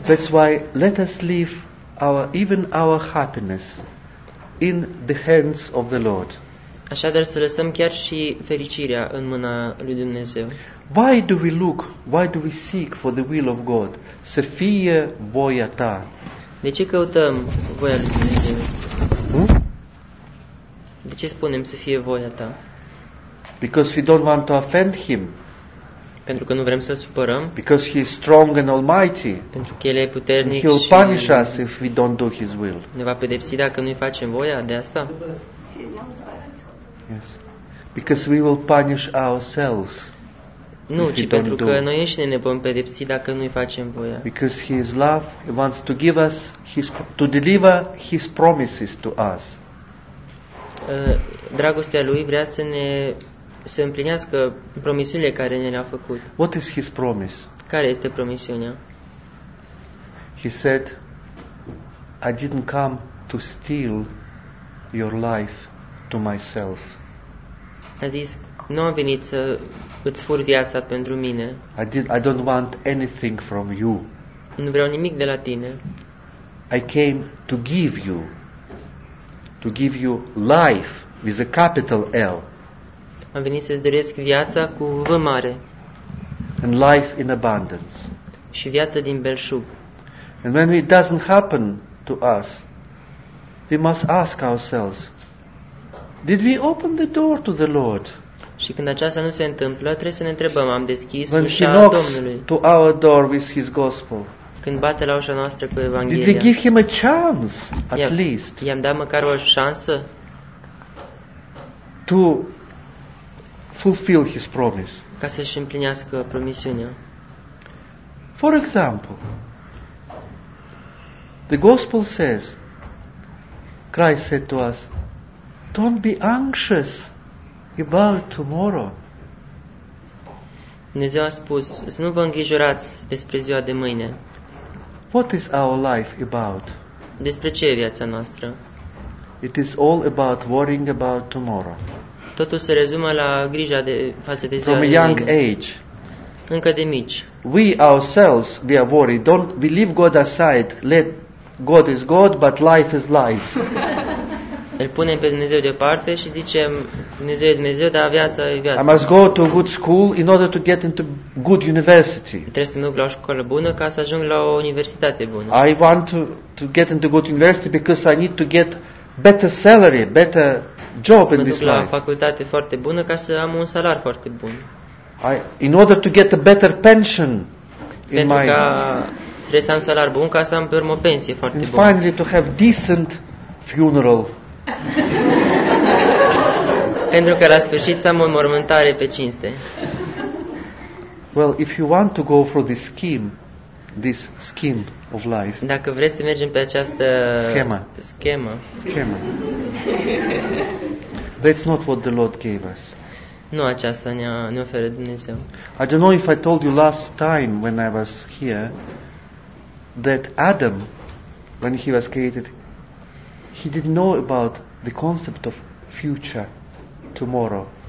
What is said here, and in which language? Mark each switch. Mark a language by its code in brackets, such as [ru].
[en] That's why let us leave our even our happiness in the hands of the Lord. [ro] Așadar să lăsăm chiar și fericirea în mâna lui Dumnezeu. [en] Why do we look? Why do we seek for the will of God? [ro] Să fie voia ta. De ce căutăm voia lui Dumnezeu? De ce spunem să fie voia ta? [en] Because we don't want to offend him. [ro] Pentru că nu vrem să-l supărăm. [en] Because he is strong and almighty. [ro] Pentru că el e puternic și [en] he'll punish us if we don't do his will. [ro] Ne va pedepsi dacă nu-i facem voia de asta. [en] Yes. Because we will punish ourselves. [ro] Nu, ci pentru că noi înșine ne vom pedepsi dacă nu-i facem voia. [en] Because he is love, he wants to give us his, to deliver his promises to us. [ro] Dragostea lui vrea să ne să împlinească promisiunile care ne le-a făcut. [en] What is his promise? [ro] Care este promisiunea? [en] He said, I didn't come to steal your life to myself. [ro] A zis, nu am venit să îți fur viața pentru mine. [en] I don't want anything from you. [ro] Nu vreau nimic de la tine. [en] I came to give you. To give you life with a capital L. [ro] Am venit să-ți doresc viața cu V mare. [en] And life in abundance. [ro] Și viața din belșug. [en] And when it doesn't happen to us, we must ask ourselves, did we open the door to the Lord? [ro] Și când aceasta nu se întâmplă, trebuie să ne întrebăm, am deschis [en] when [ro] ușa Domnului? [en] To our door with his gospel. [ro] Când bate la ușa noastră cu Evanghelia. [en] Did we give him a chance, at least? [ro] I-am dat măcar o șansă? [en] To fulfill his promise. [ro] Ca să-și împlinească promisiunea. [en] For example, the gospel says, Christ said to us, don't be anxious about tomorrow. [ro] Dumnezeu a spus, să nu vă îngrijorați despre ziua de mâine. [en] What is our life about? [ro] Despre ce e viața noastră? [en] It is all about worrying about tomorrow. [ro] Totul se rezumă la grija de față de ziua [en] from [ro] de [en] a young [ro] mâine. [en] Age. [ro] Încă de mici. [en] We ourselves, we are worried. Don't we leave God aside. Let God is God, but life is life. [ro] Îl punem pe Dumnezeu deoparte și zicem, Dumnezeu e Dumnezeu, dar viața e viața. [en] I must go to a good school in order to get into good university. [ro] Trebuie să mă duc la o școală bună ca să ajung la o universitate bună. [en] I want to get into good university because I need to get better salary, better job in this life. [ro] Să mă duc la facultate foarte bună ca să am un salar foarte bun. [en] In order to get a better pension. [ro] Pentru că trebuie să am salar bun ca să am pe urmă o pensie foarte bună. [en] Finally to have decent funeral. [ro] pentru că la sfârșit să am o mormântare pe cinste. [en] Well, if you want to go for this scheme of life. [ro] Dacă vrei să mergem pe această schemă. [en] That's not what the Lord gave us. [ro] Nu aceasta ne oferă Dumnezeu. [en] I don't know if I told you last time when I was here that Adam, when he was created, he didn't know about the concept of future, tomorrow.